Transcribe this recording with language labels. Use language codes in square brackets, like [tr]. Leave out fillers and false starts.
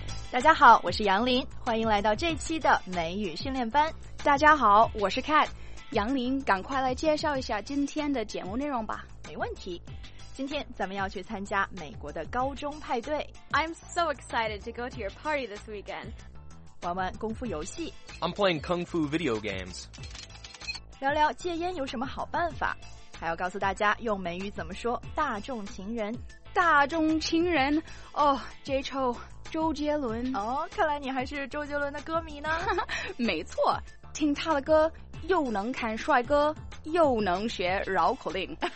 [zh] 大家好，我是杨林，欢迎来到这期的美语训练班。大家好，我是 Cat。杨林，赶快来介绍一下今天的节目内容吧。没问题，今天咱们要去参加美国的高中派对。 [en] I'm so excited to go to your party this weekend. [zh] 玩玩功夫游戏。 [en] I'm playing kung fu video games. [zh] 聊聊戒烟有什么好办法，还要告诉大家用美语怎么说大众情人。大众情人哦、oh, J-Cho 周杰伦哦、oh, 看来你还是周杰伦的歌迷呢。没错，听他的歌又能看帅哥又能学绕口令。